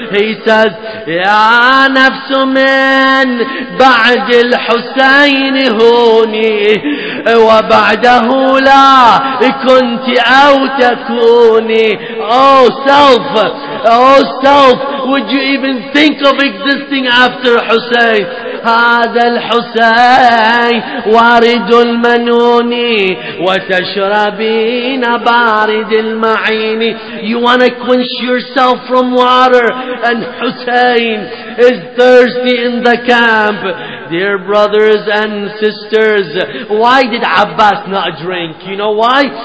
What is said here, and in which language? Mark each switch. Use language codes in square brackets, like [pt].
[en] He says, [ar] Ya nafsu man, ba'd al-Husayn huni, wa ba'dahu la kunti aw takuni. [en] Oh self, would you even think of existing after Hussein? [ar] هذا الحسين وارد المنون وتشربين بارد المعين. [en] You want to quench yourself from water, and Hussein is thirsty in the camp. Dear brothers and sisters, why did Abbas not drink? You know why?